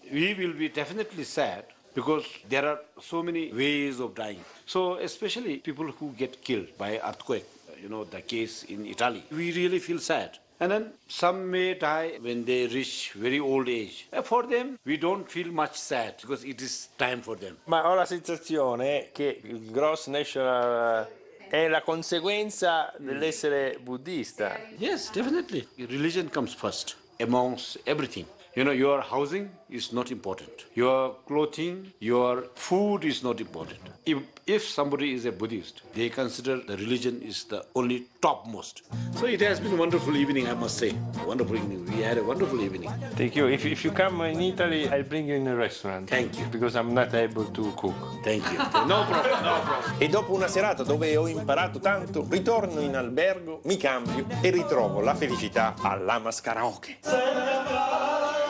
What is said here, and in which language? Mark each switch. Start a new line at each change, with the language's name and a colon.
English: We will be definitely sad because there are so many ways of dying. So especially people who get killed by earthquake, you know, the case in Italy, we really feel sad. And then some may die when they reach very old age. For them, we don't feel much sad because it is time for them.
Italian: Ma ho la sensazione che il gross national è la conseguenza dell'essere buddista.
English: Yes, definitely. Religion comes first amongst everything. You know, your housing is not important. Your clothing, your food is not important. If somebody is a Buddhist, they consider the religion is the only topmost. So it has been a wonderful evening, I must say. Wonderful evening. We had a wonderful evening. Thank you. If you come in Italy, I'll bring you in a restaurant. Thank you. Because I'm not able to cook. Thank you. No problem.
Italian: E dopo una serata dove ho imparato tanto, ritorno in albergo, mi cambio e ritrovo la felicità alla Lamas Karaoke.